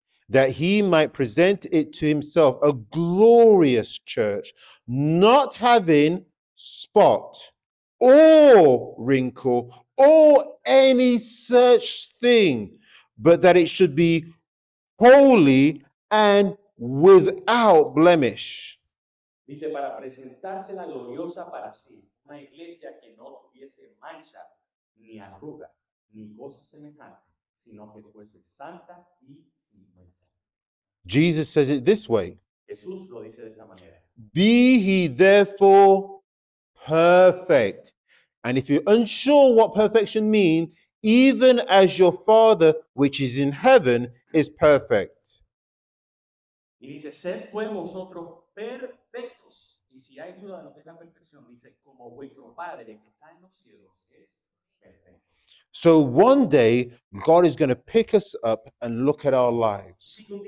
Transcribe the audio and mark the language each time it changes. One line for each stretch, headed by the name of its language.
English: That he might present it to himself, a glorious church, not having spot or wrinkle or any such thing, but that it should be holy and without blemish.
Spanish: Dice, para presentársela gloriosa para sí, una iglesia que no tuviese mancha, ni arruga, ni cosa semejante, sino que fuese santa y sin mancha.
English: Jesus says it this way.
Spanish: Jesús lo dice de esta manera.
English: Be he therefore perfect. And if you're unsure what perfection means, even as your Father, which is in heaven, is perfect.
Spanish: Y dice, sed pues vosotros perfectos. Y si hay duda de la perfección, dice, como vuestro Padre que está en los cielos, es perfecto.
English: So one day, God is going to pick us up and look at our lives.